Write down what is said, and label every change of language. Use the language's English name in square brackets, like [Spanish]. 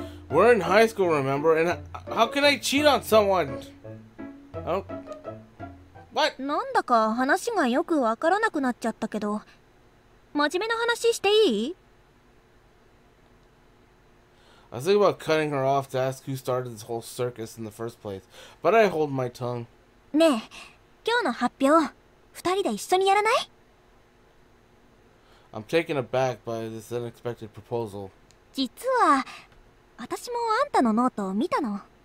[English] We're in high school, remember? And how can I cheat on someone? What? [Japanese] なんだか話がよくわからなくなっちゃったけど 真面目な話していい? [English] I was thinking about cutting her off to ask who started this whole circus in the first place, but I hold my tongue. [Japanese] ねえ、今日の発表、二人で一緒にやらない? [English] I'm taken aback by this unexpected proposal. [Japanese] 実は... 私もあんたのノートを見たの。